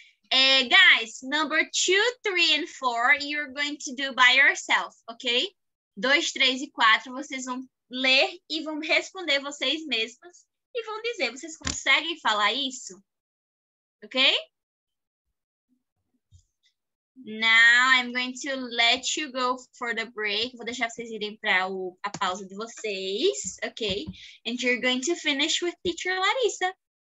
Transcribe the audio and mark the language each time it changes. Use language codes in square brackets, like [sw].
[en] Guys, number 2, 3, and 4, you're going to do by yourself, okay? 2, 3, and 4, [pt] vocês vão ler e vão responder vocês mesmos e vão dizer, vocês conseguem falar isso? Ok? [en] Now I'm going to let you go for the break. [pt] Vou deixar vocês irem para a pausa de vocês, ok? [en] And you're going to finish with teacher Larissa.